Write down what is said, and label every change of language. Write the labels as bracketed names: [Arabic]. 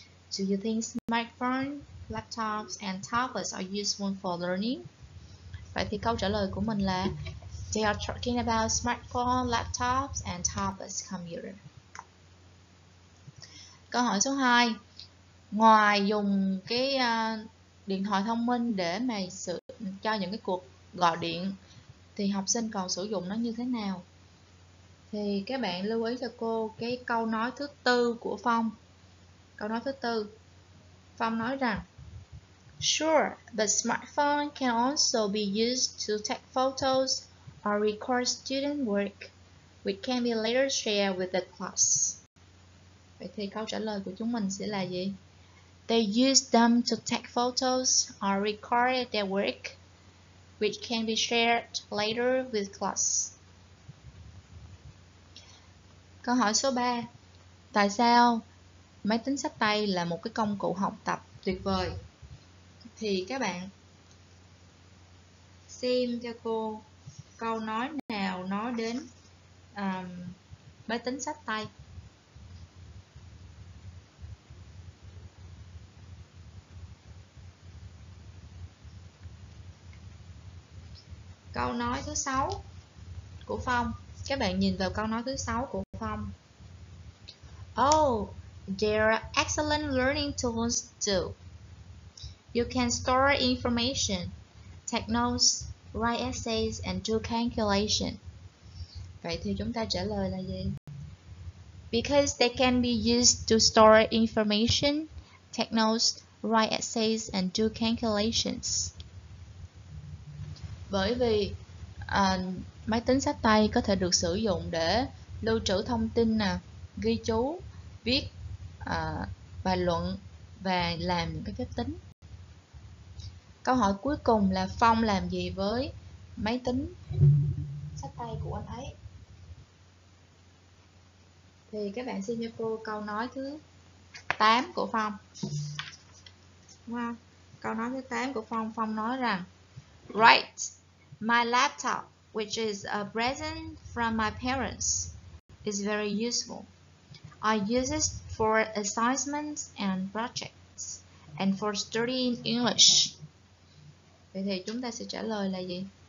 [English] Do you think smartphones, laptops and tablets are useful for learning? [Vietnamese] Vậy thì câu trả lời của mình là [English] they are talking about smartphones, laptops and tablets, computer. [Vietnamese] Câu hỏi số 2. Ngoài dùng cái điện thoại thông minh để mà sử cho những cái cuộc gọi điện thì học sinh còn sử dụng nó như thế nào? Thì các bạn lưu ý cho cô cái câu nói thứ tư của Phong. Câu nói thứ tư, Phong nói rằng [English] sure, but smartphone can also be used to take photos or record student work which can be later shared with the class. [Vietnamese] Vậy thì câu trả lời của chúng mình sẽ là gì? [English] They use them to take photos or record their work which can be shared later with class. [Vietnamese] Câu hỏi số 3. Tại sao máy tính xách tay là một cái công cụ học tập tuyệt vời? Thì các bạn xem cho cô câu nói nào nói đến máy tính xách tay. Câu nói thứ 6 của Phong. Các bạn nhìn vào câu nói thứ 6 của Phong. [English] Oh, there are excellent learning tools too. You can store information, take notes, write essays and do calculation. [Vietnamese] Vậy thì chúng ta trả lời là gì? [English] Because they can be used to store information, take notes, write essays and do calculations. [Vietnamese] Bởi vì máy tính xách tay có thể được sử dụng để lưu trữ thông tin, ghi chú, viết bài luận và làm những cái phép tính. Câu hỏi cuối cùng là Phong làm gì với máy tính xách tay của anh ấy? Thì các bạn xem cho cô câu nói thứ 8 của Phong. Đúng không? Câu nói thứ 8 của Phong, Phong nói rằng [English] right, my laptop, which is a present from my parents, is very useful. I use it for assignments and projects, and for studying English. [Vietnamese] Vậy thì chúng ta sẽ trả lời là gì?